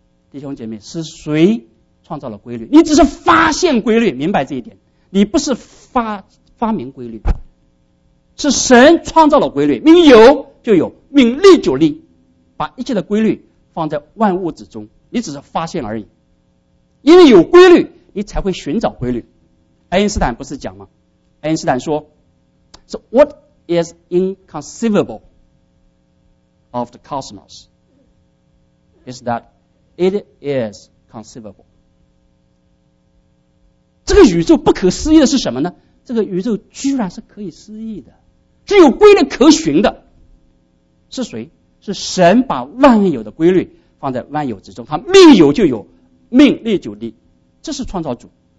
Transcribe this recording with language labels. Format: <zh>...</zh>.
<zh>弟兄姐妹，是谁创造了规律？你只是发现规律，明白这一点，你不是发明规律，是神创造了规律，命有就有，命立就立，把一切的规律放在万物之中，你只是发现而已。因为有规律，你才会寻找规律。爱因斯坦不是讲吗？爱因斯坦说</zh> <en>So what is inconceivable of the cosmos is that it is conceivable。</en> <zh>这个宇宙不可思议的是什么呢？这个宇宙居然是可以思议的，是有规律可循的。是谁？是神把万有的规律放在万有之中，他命有就有，命立就立，这是创造主。</zh>